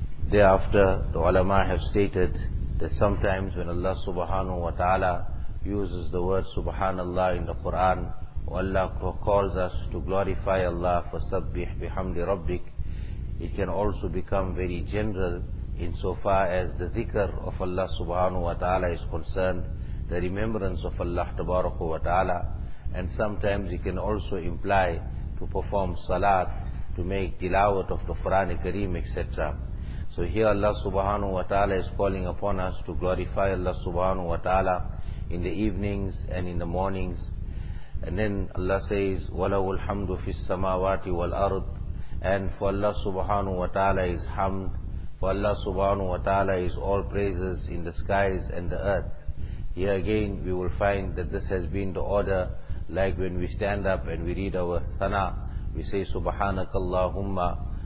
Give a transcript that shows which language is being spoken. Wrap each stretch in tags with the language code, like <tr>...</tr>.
<en>Thereafter, the ulama have stated that sometimes when Allah Subhanahu wa Ta'ala uses the word Subhanallah in the Quran, Allah calls us to glorify Allah,</en> <ar>فَسَبِّحْ بِحَمْدِ رَبِّكَ,</ar> <en>it can also become very general insofar as the dhikr of Allah Subhanahu wa Ta'ala is concerned, the remembrance of Allah Tabaraka wa Ta'ala. And sometimes it can also imply to perform salat, to make tilawat of the Quran Kareem, etc. So here Allah Subhanahu wa Ta'ala is calling upon us to glorify Allah Subhanahu wa Ta'ala in the evenings and in the mornings. And then Allah says,</en> <ar>وَلَهُ الْحَمْدُ فِي السَّمَاوَاتِ وَالْأَرْضِ.</ar> <en>And for Allah Subhanahu wa Ta'ala is hamd, for Allah Subhanahu wa Ta'ala is all praises in the skies and the earth. Here again we will find that this has been the order, like when we stand up and we read our sana, we say</en> <ar>سُبْحَانَكَ اللَّهُمَّ.</ar>